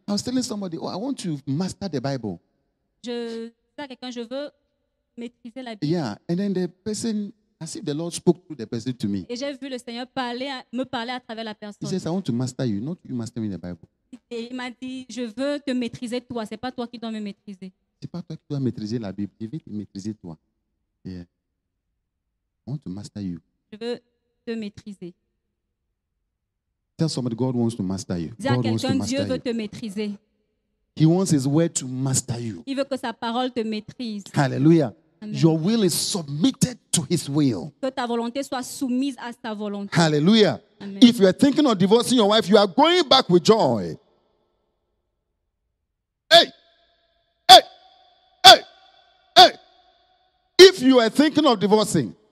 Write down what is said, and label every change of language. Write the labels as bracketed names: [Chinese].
[English] I was telling somebody, oh, I want to master the Bible. [French] Je dis à quelqu'un, je veux maîtriser la Bible. [English] Yeah, and then the person. As if the Lord spoke through the person to me. [French] Et j'ai vu le Seigneur parler, me parler à travers la personne. [English] He says, I want to master you, not you master me the Bible. [French] Et il m'a dit, je veux te maîtriser toi, c'est pas toi qui dois me maîtriser. C'est pas toi qui dois maîtriser la Bible, je veux te maîtriser toi. [English] Yeah. I want to master you. [French] Je veux te maîtriser. [English] Tell somebody, God wants to master you. [French] Dis à quelqu'un, Dieu veut te maîtriser. [English] He wants his word to master you. [French] Il veut que sa parole te maîtrise. [English] Hallelujah. Amen. Your will is submitted to his will. [French] Que ta volonté soit soumise à sa volonté. [English] Hallelujah. Amen. If you are thinking of divorcing your wife, you are going back with joy. Hey! Hey! Hey! Hey! If you are thinking of divorcing,